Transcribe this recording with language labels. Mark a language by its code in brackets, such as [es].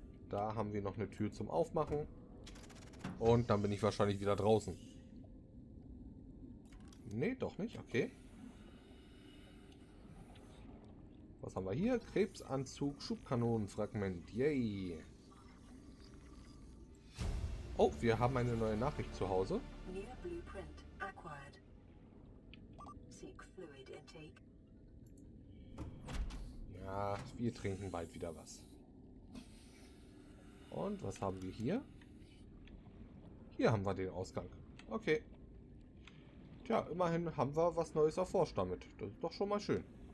[de] Da haben wir noch eine Tür zum Aufmachen. Und dann bin ich wahrscheinlich wieder draußen. Nee, doch nicht. Okay. Was haben wir hier? Krebsanzug, Schubkanonenfragment. Yay. Oh, wir haben eine neue Nachricht zu Hause. [en] New blueprint acquired. Seek fluid intake. [de] Ja, wir trinken bald wieder was. Und was haben wir hier? Hier haben wir den Ausgang. Okay. Tja, immerhin haben wir was Neues erforscht damit. Das ist doch schon mal schön.